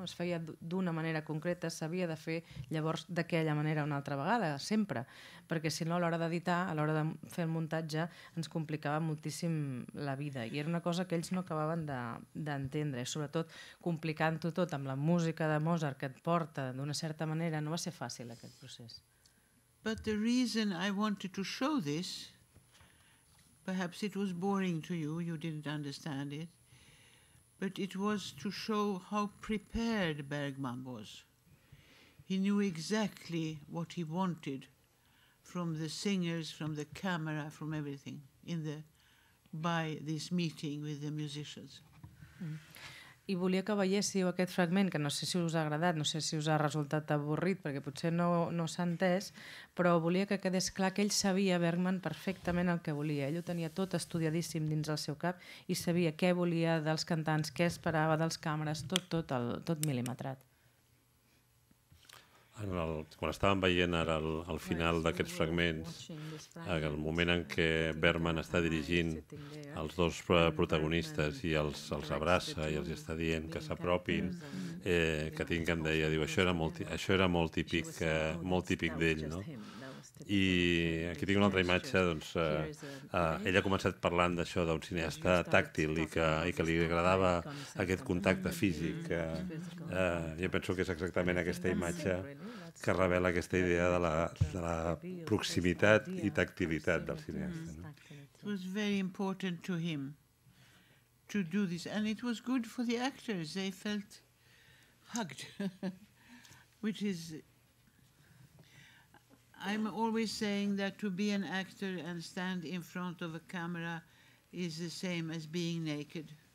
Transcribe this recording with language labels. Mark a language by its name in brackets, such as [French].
[Catalan] Es feia d'una manera concreta, s'havia de fer llavors d'aquella manera una altra vegada, sempre, perquè si no a l'hora d'editar, a l'hora de fer el muntatge, ens complicava moltíssim la vida, i era una cosa que ells no acabaven d'entendre, sobretot complicant-ho tot amb la música de Mozart que et porta d'una certa manera, no va ser fàcil aquest procés. [English] But the reason I wanted to show this, perhaps it was boring to you, you didn't understand it, but it was to show how prepared Bergman was. He knew exactly what he wanted from the singers, from the camera, from everything, by this meeting with the musicians. [Catalan] I volia que veiéssiu aquest fragment, que no sé si us ha agradat, no sé si us ha resultat avorrit, perquè potser no s'ha entès, però volia que quedés clar que ell sabia, Bergman, perfectament el que volia. Ell ho tenia tot estudiadíssim dins el seu cap i sabia què volia dels cantants, què esperava dels càmeres, tot mil·limetrat. Quan estàvem veient ara el final d'aquests fragments, el moment en què Bergman està dirigint els dos protagonistes i els abraça i els està dient que s'apropin, que tinguin, deia, diu, això era molt típic, molt típic d'ell, no? I aquí tinc una altra imatge, doncs, ell ha començat parlant d'això d'un cineasta tàctil i que li agradava aquest contacte físic. Jo penso que és exactament aquesta imatge que revela aquesta idea de la proximitat i tactilitat del cineasta. [English] It was very important to him to do this, and it was good for the actors, they felt hugged, which is... I'm always saying that to be an actor and stand in front of a camera is the same as being naked.